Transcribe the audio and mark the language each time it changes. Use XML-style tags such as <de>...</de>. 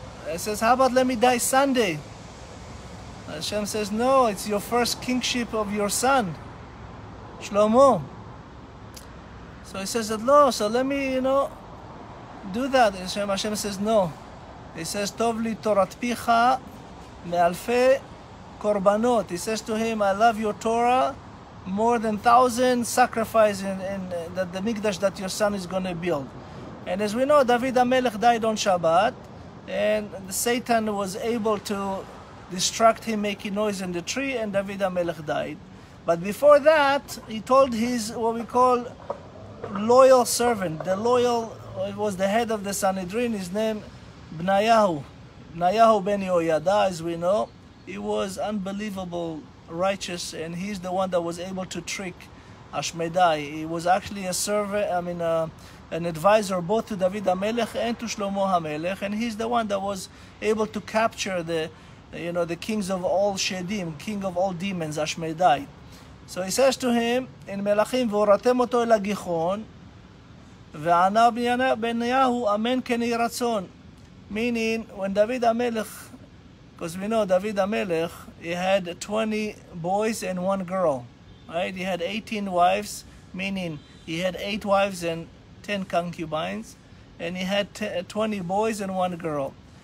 <en>He says, how about let me die Sunday? Hashem says, no, it's your first kingship of your son, Shlomo. So he says, no, so let me, you know, do that. Hashem says, no. He says,</en> <he>טוב לי תורת פיך מאלפי קורבנות.</he> <en>He says to him, I love your Torah more than 1,000 sacrifices in the Mikdash that your son is going to build. And as we know, David המלך died on Shabbat, and Satan was able to distract him, making noise in the tree, and David המלך died. But before that, he told his, what we call, loyal servant, the loyal, it was the head of the Sanhedrin, his name, Bnayahu. Bnayahu ben Yehoyada, as we know. He was unbelievable righteous, and he's the one that was able to trick Ashmedai. He was actually an advisor both to David HaMelech and to Shlomo HaMelech, and he's the one that was able to capture the, you know, the kings of all Shedim, king of all demons, Ashmedai. So he says to him, in Melachim,</en> <he>ואורתם אותו אל הגיחון, וענה בניהו, אמן כן יהי רצון.</he> <en>Meaning, when David המלך, because we know David המלך, he had 20 boys and one girl, right? He had 18 wives, meaning he had 8 wives and 10 concubines, and he had 20 boys and one girl.</en>